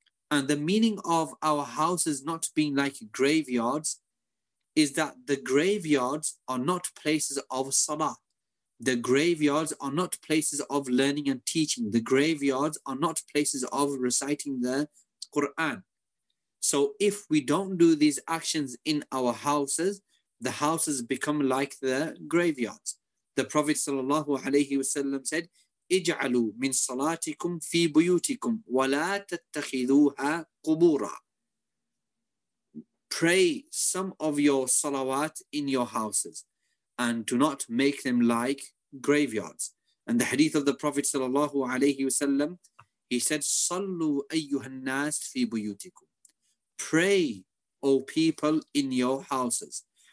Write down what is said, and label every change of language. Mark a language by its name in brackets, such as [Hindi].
[English] And the meaning of our houses not being like graveyards is that the graveyards are not places of salah. The graveyards are not places of learning and teaching. The graveyards are not places of reciting the Quran. So if we don't do these actions in our houses, the houses become like the graveyards. The Prophet sallallahu alayhi wasallam said, [Arabic] اجعلوا من صلاتكم في بيوتكم ولا تتخذوها قبورا. [English] Pray some of your salawat in your houses and do not make them like graveyards. And the hadith of the Prophet sallallahu alayhi wasallam, he said, [Arabic] صلوا أيها الناس في بيوتكم. [English] Pray, O people, in your houses.